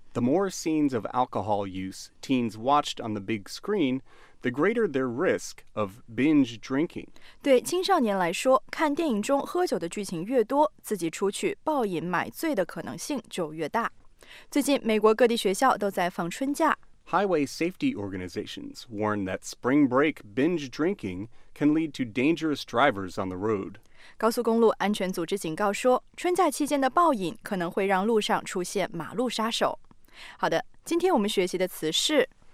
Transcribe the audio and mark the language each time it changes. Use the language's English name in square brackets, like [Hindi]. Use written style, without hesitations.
[English] The more scenes of alcohol use teens watched on the big screen,the greater their risk of binge drinking. [Chinese] 对青少年来说，看电影中喝酒的剧情越多，自己出去暴饮买醉的可能性就越大。最近美国各地学校都在放春假。 [English] Highway safety organizations warn that spring break binge drinking can lead to dangerous drivers on the road. [Chinese] 高速公路安全组织警告说，春假期间的暴饮可能会让路上出现马路杀手。好的，今天我们学习的词是